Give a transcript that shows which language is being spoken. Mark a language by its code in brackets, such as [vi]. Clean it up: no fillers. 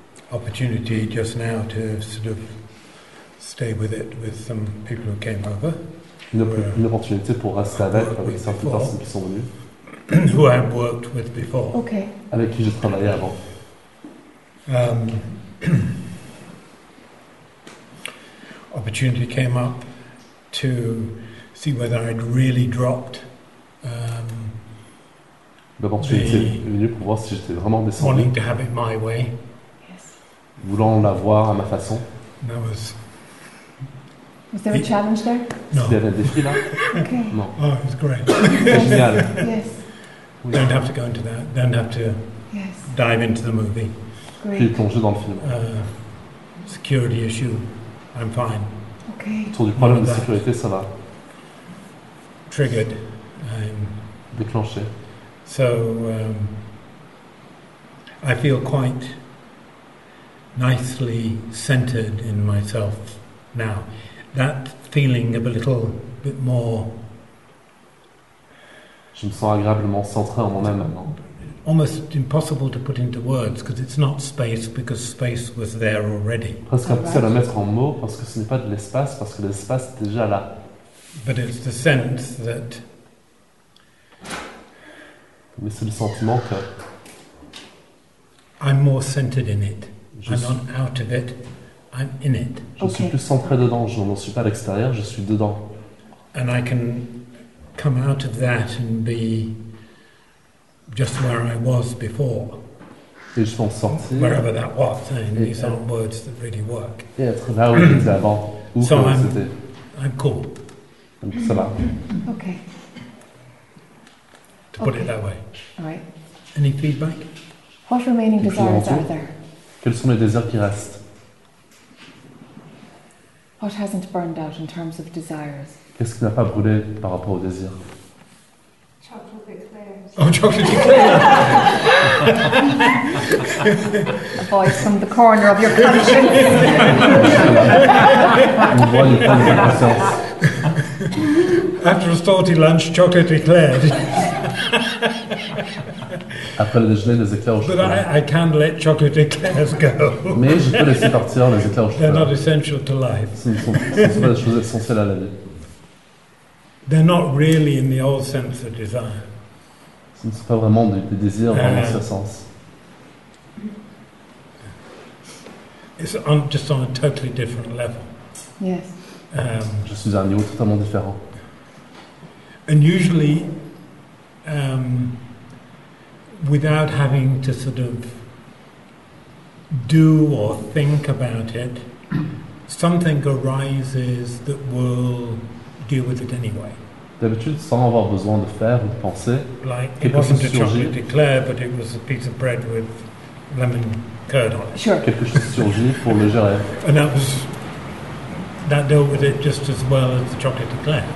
[en] Opportunity just now to sort of stay with it with some people who came over. [fr] Une opportunité pour rester avec certaines personnes qui sont venues. [en] Who I have worked with before. Okay. [fr] Avec qui je travaillais avant. [en] opportunity came up to see whether I'd really dropped. [fr] L'opportunité est venue pour voir si j'étais vraiment descendu. [en] Wanting to have it my way. Yes. [fr] Voulant l'avoir à ma façon. [en] That was. Was there a challenge there? No. [fr] Il y avait un défi là. [en] Okay. [fr] Non. [en] Oh, it was great. [fr] C'est génial. [en] Yes. Don't have to go into that. Don't have to dive into the movie. Puis plonger dans le film. Security issue. I'm fine. Okay. [fr] Autour du problème de sécurité, ça va. [en] Triggered. [fr] Déclenché. [en] So I feel quite nicely centered in myself now. That feeling of a little bit more. [fr] Je me sens agréablement centré en moi-même maintenant. [en] Almost impossible to put into words because it's not space because space was there already. [fr] Presque impossible à mettre en mots parce que ce n'est pas de l'espace parce que l'espace est déjà là. [en] But it's the sense that. [fr] Mais c'est le sentiment que. [en] I'm more centered in it. I'm not out of it. I'm in it. [fr] Je suis plus centré dedans. Je n'en suis pas à l'extérieur. Je suis dedans. [en] And I can. Come out of that and be just where I was before. [fr] Et je suis sorti. [en] Wherever that was, and these aren't words that really work. [fr] Et être là où j'étais avant, où so que [en] I'm cool. [fr] Donc ça va. [en] Okay. To put it that way. Alright. Any feedback? What remaining desires are there? [fr] Quels sont les désirs qui restent? [en] What hasn't burned out in terms of desires? [fr] Qu'est-ce qui n'a pas brûlé par rapport au désir? [en] Chocolate éclairs. Oh, chocolate éclairs! A voice from the corner of your conscience. [fr] Une voix du fond de ta conscience. [en] After a salty lunch, chocolate éclairs. [fr] Après le déjeuner, les éclairs au chocolat. [en] But I can't let chocolate éclairs go. [fr] Mais je peux laisser partir les éclairs au chocolat. [en] They're not essential to life. [fr] Ce ne sont pas des choses essentielles à la vie. [en] They're not really in the old sense of desire. [fr] Ce ne sont pas vraiment des désirs dans l'ancien sens. [en] It's on, just on a totally different level. Yes. [fr] Je suis à un niveau totalement différent. [en] And usually, without having to sort of do or think about it, something arises that will deal with it anyway. [fr] D'habitude, sans avoir besoin de faire ou de penser, like, quelque chose surgit. [en] It wasn't a chocolate éclair, but it was a piece of bread with lemon curd on it. Sure. [fr] Quelque chose surgit pour le gérer. [en] And that dealt with it just as well as the chocolate éclair.